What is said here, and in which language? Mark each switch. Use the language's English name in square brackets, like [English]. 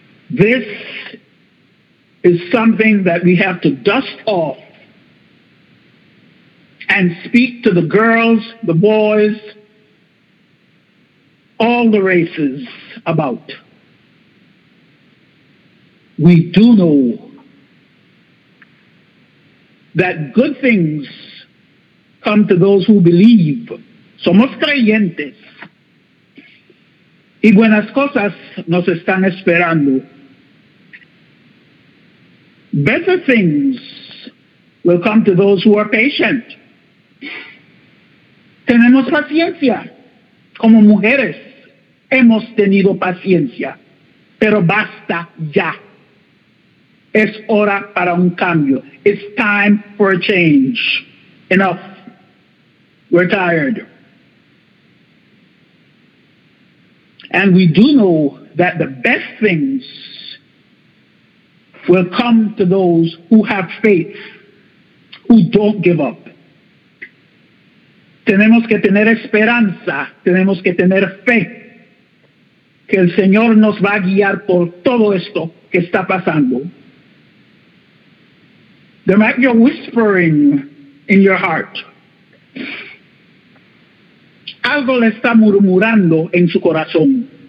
[English] This is something that we have to dust off and speak to the girls, the boys, all the races about. We do know that good things come to those who believe. [Spanish] Somos creyentes. Y buenas cosas nos están esperando. [English] Better things will come to those who are patient. [Spanish] Tenemos paciencia. Como mujeres, hemos tenido paciencia. Pero basta ya. Es hora para un cambio. [English] It's time for a change. Enough. We're tired. And we do know that the best things will come to those who have faith, who don't give up. [Spanish] Tenemos que tener esperanza, tenemos que tener fe, que el Señor nos va a guiar por todo esto que está pasando. [English] There might be a whispering in your heart. [Spanish] Algo le está murmurando en su corazón.